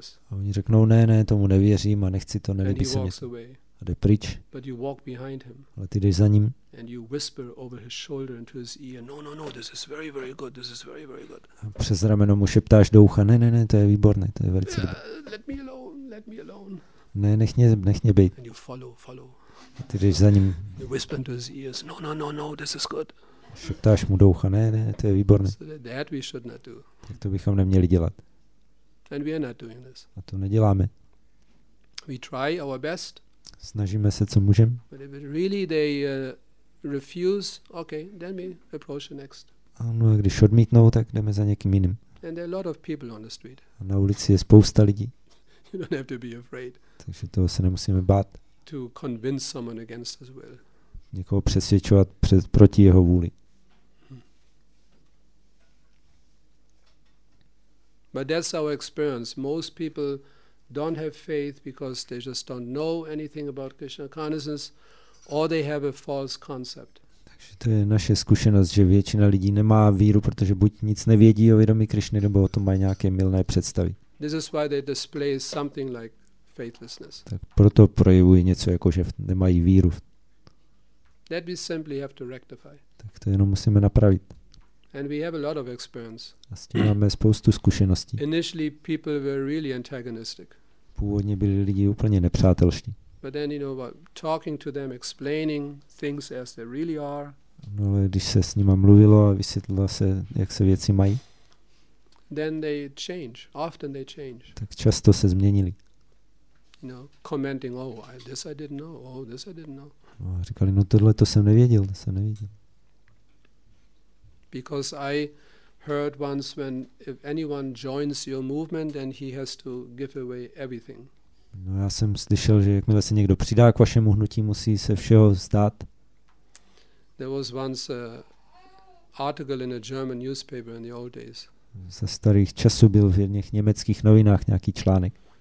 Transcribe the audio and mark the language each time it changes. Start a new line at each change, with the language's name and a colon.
Czech: A oni řeknou, ne, ne, tomu nevěřím a nechci to, nelíbí se mi. A jde pryč.
English: But you walk behind him.
Czech: Ale ty jdeš za ním.
English: And you whisper over his shoulder into his ear, no, no, no, this is very, very good, this is very, very good.
Czech: A přes rameno mu šeptáš do ucha, ne, ne, ne, to je výborné, to je velice dobré.
English: Let me alone, let me alone.
Czech: Ne, nech mě být.
English: And you follow, follow.
Czech: A ty jdeš za ním.
English: You whisper into his ears, no, no, no, no, this is good.
Czech: Šeptáš mu do ucha, ne, ne, to je výborné. So tak to bychom neměli dělat.
English: And we are not doing this.
Czech: A to neděláme.
English: We try our best.
Czech: Snažíme se, co můžem.
English: But if really they refuse, okay, then we approach the next.
Czech: A no, a když odmítnou, tak jdeme za někým jiným.
English: And there are a lot of people on the street.
Czech: A na ulici je spousta lidí.
English: You don't have to be afraid.
Czech: Takže toho se nemusíme bát.
English: To convince someone against his will.
Czech: Někoho přesvědčovat proti jeho vůli.
English: But that's our experience. Most people don't have faith because they just don't know anything about Krishna consciousness, or they have a false concept.
Czech: Takže to je naše zkušenost, že většina lidí nemá víru, protože buď nic nevědí o vědomí Krišny, nebo o tom mají nějaké mylné představy.
English: This is why they display something like faithlessness.
Czech: Tak proto projevují něco jako, že nemají víru.
English: That we simply have to rectify.
Czech: Tak to jenom musíme napravit.
English: And we have a lot of experience.
Czech: A s tím máme spoustu zkušeností.
English: Initially people were really antagonistic.
Czech: Původně byli lidi úplně nepřátelští.
English: But then, you know, talking to them, explaining things as they really are.
Czech: No, ale když se s nima mluvilo a vysvětlilo se, jak se věci mají.
English: Then they change. Often they change.
Czech: Tak často se změnili.
English: You know, commenting, oh, this I didn't know.
Czech: No, říkali, no tohle to jsem nevěděl, to jsem nevěděl.
English: Because I heard once when if anyone joins your movement, then he has to give away everything.
Czech: No, já jsem slyšel, že jakmile se někdo přidá k vašemu hnutí, musí se všeho vzdát.
English: There was once an article in a German newspaper in the old days.
Czech: Ze starých časů byl v jedných německých novinách nějaký článek.